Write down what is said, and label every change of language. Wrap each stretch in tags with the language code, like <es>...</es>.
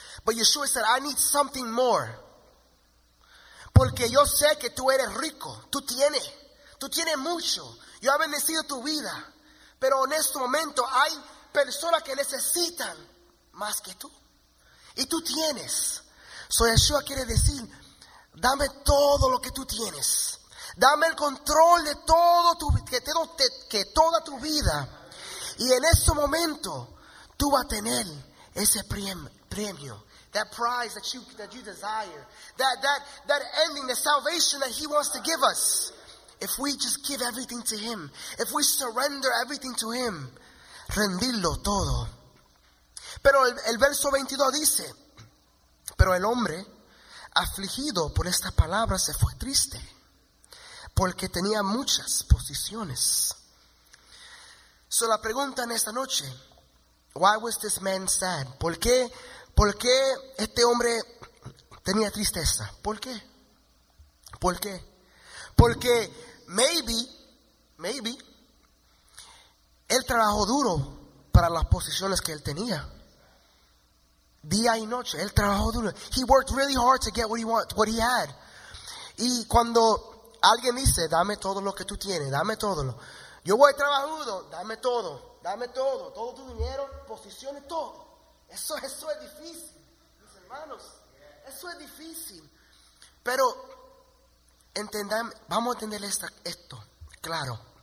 <en>But Yeshua said, I need something more.</en> <es>Porque yo sé que tú eres rico, tú tienes mucho. Yo he bendecido tu vida, pero en este momento hay personas que necesitan más que tú. Y tú tienes. So Yeshua quiere decir: dame todo lo que tú tienes. Dame el control de todo que toda tu vida. Y en este momento tú vas a tener ese premio.</es> <en>That prize that you desire, that ending, the salvation that He wants to give us, if we just give everything to Him, if we surrender everything to Him,</en> <es>rendirlo todo. Pero el verso 22 dice, Pero el hombre, afligido por esta palabra, se fue triste, porque tenía muchas posesiones. So la pregunta en esta noche,</es> <en>why was this man sad?</en> <es>¿Por qué este hombre tenía tristeza? ¿Por qué? Porque maybe, él trabajó duro para las posiciones que él tenía. Día y noche, él trabajó duro.</es> <en>He worked really hard to get what he had.</en> <es>Y cuando alguien dice, dame todo lo que tú tienes, dame todo. Yo voy trabajudo, dame todo. Todo tu dinero, posiciones, todo. Eso es difícil, mis hermanos. Eso es difícil. Pero vamos a entender esto, claro.</es>